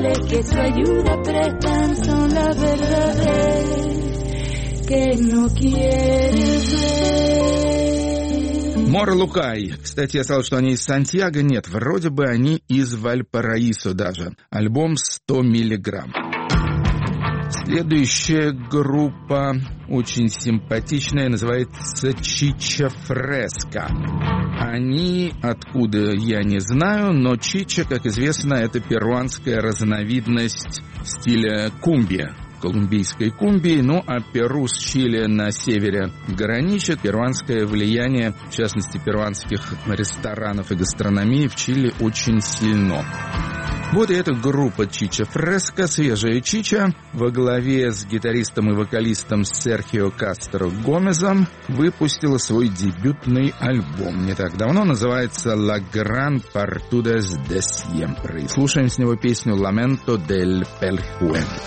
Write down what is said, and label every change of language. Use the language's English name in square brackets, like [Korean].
[Spanish] que su ayuda prestan, son las verdades que no quieres ver. [Russian] Мор Лукай. Кстати, я сказал, что они из Сантьяго. Нет, вроде бы они из Вальпараисо даже. Альбом «100 миллиграмм». Следующая группа очень симпатичная, называется «Чича Фреска». Они откуда, я не знаю, но чича, как известно, это перуанская разновидность стиля кумбия, колумбийской кумбии. Ну, а Перу с Чили на севере граничит. Перуанское влияние, в частности, перуанских ресторанов и гастрономии в Чили очень сильно. Вот и эта группа «Чича Фреска», «Свежая чича», во главе с гитаристом и вокалистом Серхио Кастро Гомезом выпустила свой дебютный альбом. Не так давно, называется «La Gran Partuda de Siempre». Слушаем с него песню «Lamento del Pelhue».